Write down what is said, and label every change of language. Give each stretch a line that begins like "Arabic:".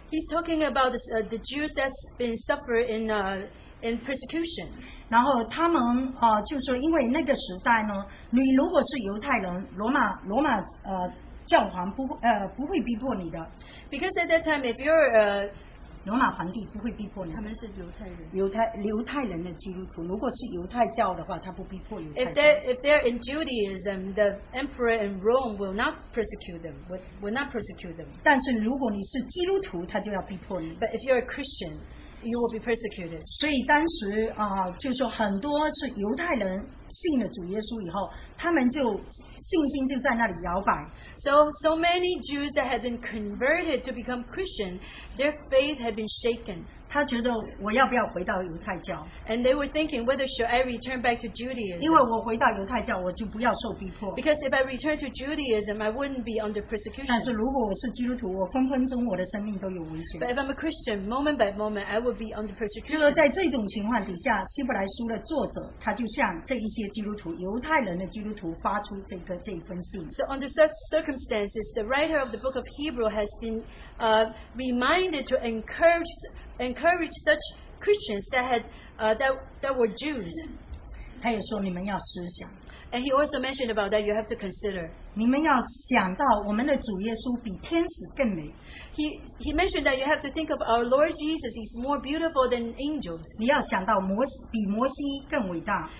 English: He's talking about the Jews that's been suffering in persecution.
Chinese: 然后他们就说因为那个时代呢，你如果是犹太人，罗马教皇不会逼迫你的。
English: Because at that time, if you're a
Chinese: 罗马皇帝不会逼迫你。他们是犹太人。犹太犹太人的基督徒，如果是犹太教的话，他不逼迫犹太人。
English: If they're in Judaism, the emperor in Rome will not persecute them. Will not persecute them.
Chinese: 但是如果你是基督徒，他就要逼迫你。
English: But if you're a Christian, you will be persecuted.
Chinese: 所以当时就说很多是犹太人信了主耶稣以后，他们就信心就在那里摇摆。
English: So many Jews that had been converted to become Christian, their faith had been shaken.
Chinese: 他觉得我要不要回到犹太教?
English: And they were thinking, whether should I return back to Judaism?
Chinese: 因为我回到犹太教,我就不要受逼迫。
English: Because if I return to Judaism, I wouldn't be under persecution.
Chinese: 但是如果我是基督徒,我分分钟我的生命都有危险。
English: But if I'm a Christian, moment by moment, I would be under persecution.
Chinese: 就在这种情况底下,希伯来书的作者,他就向这一些基督徒,犹太人的基督徒发出这个这一封信。
English: So under such circumstances, the writer of the book of Hebrew has been reminded to encourage such Christians that were Jews.
Chinese: 他也说你们要思想,
English: and he also mentioned about that you have to consider.
Chinese: 你们要想到我们的主耶稣比天使更美。
English: He mentioned that you have to think of our Lord Jesus. He's more beautiful than angels.
Chinese: 你要想到摩西比摩西更伟大。